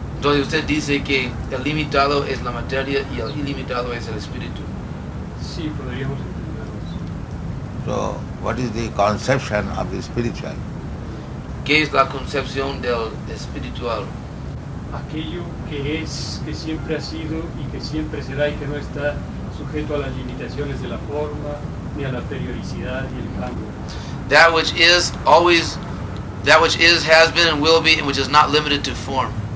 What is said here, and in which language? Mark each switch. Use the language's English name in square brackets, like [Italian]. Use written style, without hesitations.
[Spanish] Entonces usted dice que el limitado es la materia y el ilimitado es el espíritu. Sí, podríamos entenderlo. [English] So, what is the conception of the spiritual? [Spanish] ¿Qué es la concepción del espiritual? Aquello que es, que siempre ha sido y que siempre será y que no está sujeto a las limitaciones de la forma ni a la periodicidad y el cambio. [English] That which is, always, that which is, has been and will be, and which is not limited to form.